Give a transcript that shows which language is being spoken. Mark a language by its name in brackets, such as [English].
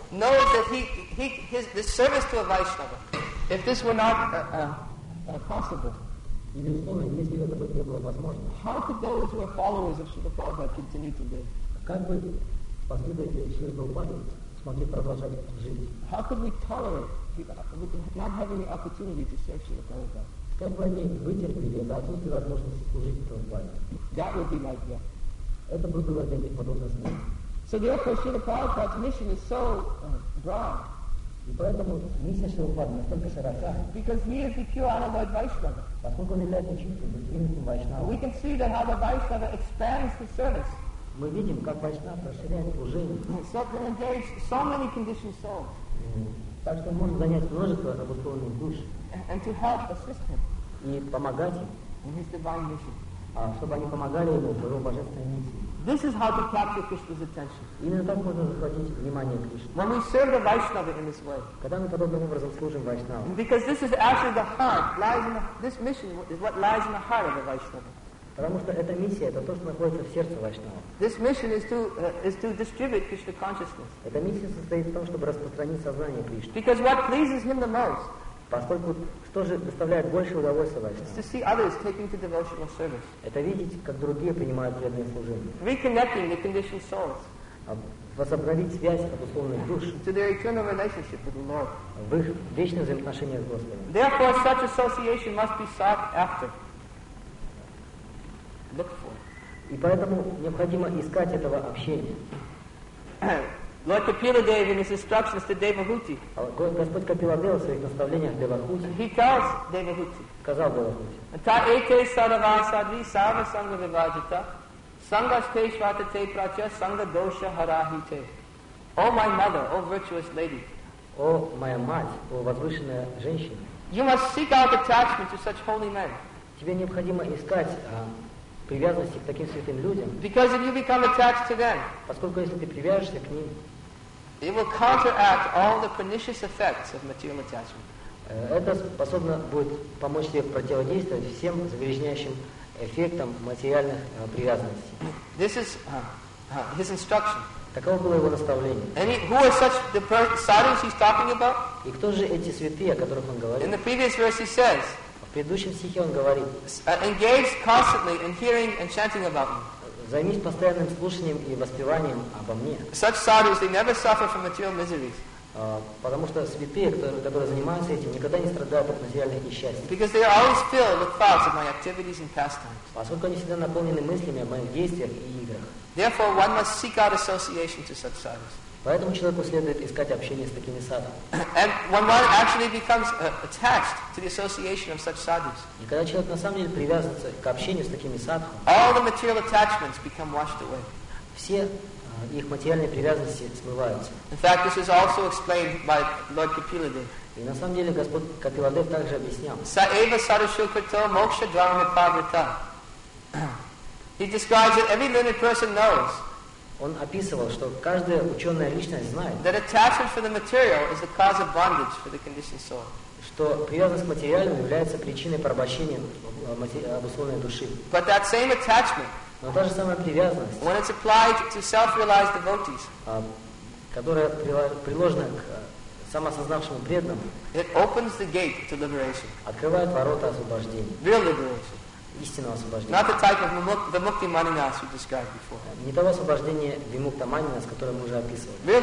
[English] Knows that his service to a Vaishnava. If this were not possible. [Russian] Если бы это не было возможно, [English] how could those who are followers of Srila Prabhupada continue to live? [Russian] Как бы последователи Srila Prabhupada смогли продолжать жить? [English] How could we tolerate not having the opportunity to serve Srila Prabhupada? [Russian] Как бы они вытерпели это отсутствие возможности служить Srila Prabhupada? [English] That would be my guess. [Russian] Это было бы подобно смерти. [English] So therefore, Srila Prabhupada's mission is so broad. [Russian] И поэтому миссия Шрила Прабхупады настолько широка. [English] Because he is the pure unalloyed Vaishnava. [Russian] Поскольку он является чистым Вайшнавом. [English] We can see that how the Vaishnava expands the service. [Russian] Мы видим, как Вайшнава расширяет служение. [English] So can engage so many conditioned souls. [Russian] Так что можно занять множество обусловленных душ. [English] And to help assist him. [Russian] И помогать им. [English] In his divine mission. [Russian] Чтобы они помогали ему в его божественной миссии. [English] This is how to capture Krishna's attention. [Russian] Именно так можно захватить внимание Кришны. [English] When we serve the Vaishnava in this way. [Russian] Когда мы подобным образом служим Вайшнаву. [English] Because this is actually the heart lies in this mission is what lies in the heart of the Vaishnava. [Russian] Потому что эта миссия это то, что находится в сердце Вайшнава. [English] This mission is to distribute Krishna consciousness. [Russian] Эта миссия состоит в том, чтобы распространить сознание Кришны. [English] Because what pleases him the most. [Russian] Поскольку что же доставляет больше удовольствия Вайшнаву? [English] To see others taking to devotional service. [Russian] Это видеть, как другие принимают преданное служение. [English] Reconnecting the conditioned souls. [Russian] Возобновить связь обусловленных душ. [English] To their eternal relationship with the Lord. [Russian] В их вечное взаимоотношение с Господом. [English] Therefore, such association must be sought after. Look for. [Russian] И поэтому необходимо искать этого общения. [English] Lord Kapila Dev in his instructions to Devahuti. [Russian] Господь Капила Дев в своих наставлениях Девахути. [English] He tells Devahuti. [Russian] Сказал Девахути. [Sanskrit] Та эйте сарава садви сарва санга вивадита санга сте шватате прача санга доша харахите. [English] О, my mother, о, virtuous lady. [Russian] О, моя мать, о, возвышенная женщина. [English] You must seek out attachment to such holy men. [Russian] Тебе необходимо искать привязанности к таким святым людям. [English] Because if you become attached to them, [Russian] поскольку если ты привяжешься к ним, [English] it will counteract all the pernicious effects of material attachment. [Russian] Это способно будет помочь тебе противодействовать всем загрязняющим эффектам материальных привязанностей. [English] This is his instruction. [Russian] Таково было его наставление. [English] And who are such the sadhus he's talking about? [Russian] И кто же эти святые, о которых он говорит? [English] In the previous verse he says. [Russian] В предыдущем стихе он говорит. [English] Engage constantly in hearing and chanting about me. [Russian] Займись постоянным слушанием и воспеванием обо мне. [English] Such sadhus, they never suffer from material miseries. [Russian] Потому что святые, которые занимаются этим, никогда не страдают от материальных несчастий. [English] Because they are always filled with thoughts of my activities and pastimes. [Russian] Поскольку они всегда наполнены мыслями о моих действиях и играх. [English] Therefore, one must seek out association to such sadhus. [Russian] Поэтому человеку следует искать общение с такими садами. [English] And when one actually becomes attached to the association of such sadhus, [Russian] и когда человек на самом деле привязывается к общению с такими садами, [English] all the material attachments become washed away. [Russian] Все их материальные привязанности смываются. [English] In fact, this is also explained by Lord Kapiladev. [Russian] И на самом деле Господь Капиладев также объяснял. [Sanskrit] Са эва сарушукрито мокша драме паврита. [English] He describes that every learned person knows. [Russian] Он описывал, что каждая ученая личность знает, [English] that attachment for the material is the cause of bondage for the conditioned soul. [Russian] Что привязанность к материальному является причиной порабощения обусловленной души. [English] But that same attachment, [Russian] но та же самая привязанность, [English] when it's applied to self-realized devotees, [Russian] которая приложена к самосознавшему преданному, [English] it opens the gate to liberation. [Russian] Открывает ворота освобождения. [English] Real liberation. [Russian] истинного освобождения. Не того освобождения Вимукта Манинас, которое мы уже описывали.